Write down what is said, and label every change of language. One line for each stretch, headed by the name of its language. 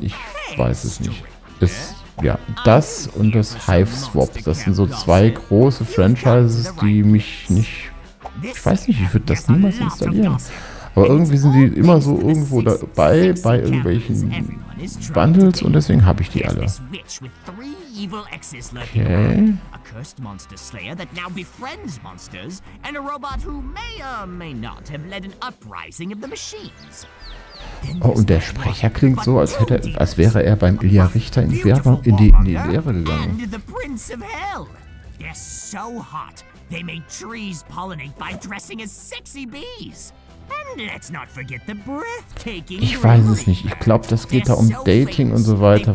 German: Ich weiß es nicht. Das und das Hive Swap. Das sind so zwei große Franchises, die mich nicht... Ich weiß nicht, ich würde das niemals installieren. Aber irgendwie sind die immer so irgendwo dabei, bei irgendwelchen Bundles und deswegen habe ich die alle. Okay.
English: Cursed monster slayer that now befriends monsters and a robot who may or may not have led an uprising of the machines.
German: Oh, und der Sprecher klingt so, als hätte, als wäre er beim Ilja Richter in die Lehre gegangen.
English: And the Prince of Hell. They're so hot. They make trees pollinate by dressing as sexy bees. And let's not forget the breathtaking.
German: Ich weiß es nicht. Ich glaube, das geht da um Dating und so weiter.